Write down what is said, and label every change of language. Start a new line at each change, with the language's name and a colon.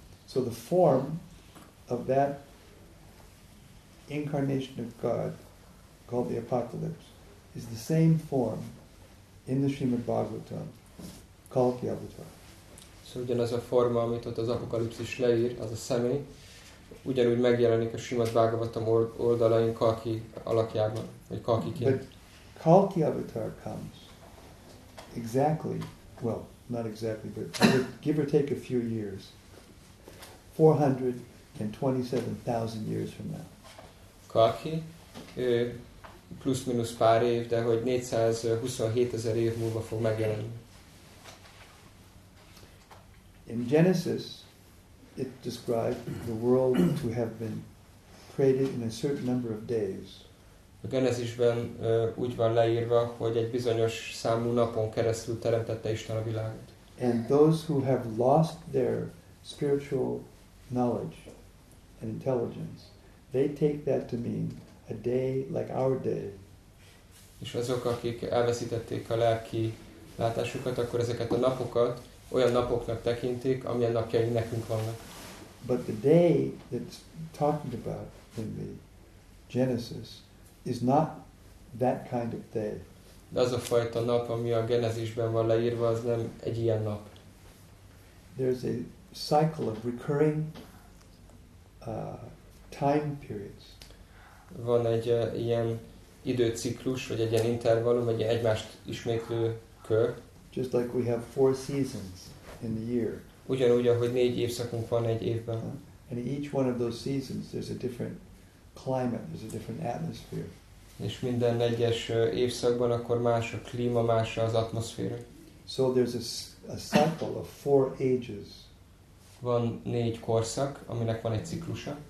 English: So the form of that incarnation of God called the apocalypse is the same form in the Srimad Bhagavatam called the avatar.
Hungarian: So ugyanaz a forma, amit ott az apokalipszis leír, az a személy, ugyanúgy megjelenik a Srimad Bhagavatam oldalain Kalki alakjában, vagy Kalkiként.
English: But Kalki avatar comes exactly, well, not exactly, but give or take a few years, 427,000 years from now.
Hungarian: Kalki, plusz-minusz pár év, de hogy 427,000 év múlva fog megjelenni.
English: In Genesis, it described the world to have been created in a certain number of days.
Hungarian: A Genesisben úgy van leírva, hogy egy bizonyos számú napon keresztül teremtette Isten a világot.
English: And those who have lost their spiritual knowledge and intelligence, they take that to mean a day like our day.
Hungarian: És azok, akik elveszítették a lelki látásukat, akkor ezeket a napokat olyan napoknak tekintik, amilyen napjaink nekünk vannak.
English: But the day that's talking about in the Genesis is not that kind of day.
Hungarian: De az a fajta nap, ami a Genesisben van leírva, az nem egy ilyen nap.
English: There's a cycle of recurring time periods.
Hungarian: Van egy ilyen időciklus, vagy egy ilyen intervallum, egy ilyen egymást ismétlő kör.
English: Just like we have four seasons in the year.
Hungarian: Ugyanúgy, ahogy négy évszakunk van egy évben.
English: And each one of those seasons, there's a different climate, there's a different atmosphere.
Hungarian: És minden egyes évszakban akkor más a klíma, más az atmoszféra.
English: So there's a cycle of four ages.
Hungarian: Van négy korszak, aminek van egy ciklusa.